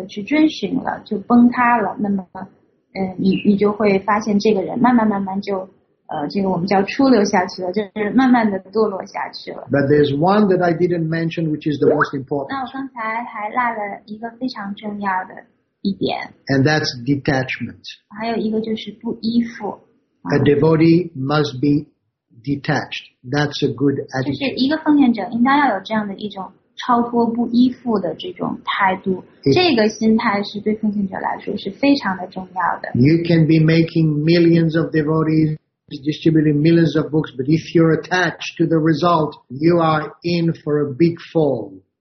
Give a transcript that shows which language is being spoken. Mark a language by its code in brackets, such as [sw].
[zh] 那如果说我们所前面讲的这一切呢，就是再不那么的认真的去遵循了，就崩塌了，那么。你就会发现这个人慢慢就这个我们叫出溜下去了，就是慢慢的堕落下去了。 [en] But there's one that I didn't mention, which is the most important. [zh] 那我刚才还落了一个非常重要的一点。 [en] And that's detachment. [zh] 还有一个就是不依附。 [en] A devotee must be detached. That's a good attitude. [zh] 就是一个奉献者应该要有这样的一种超脱不依附的这种态度。 [en] You can be making millions of devotees, distributing millions of books, but if you're attached to the result, you are in for a big fall.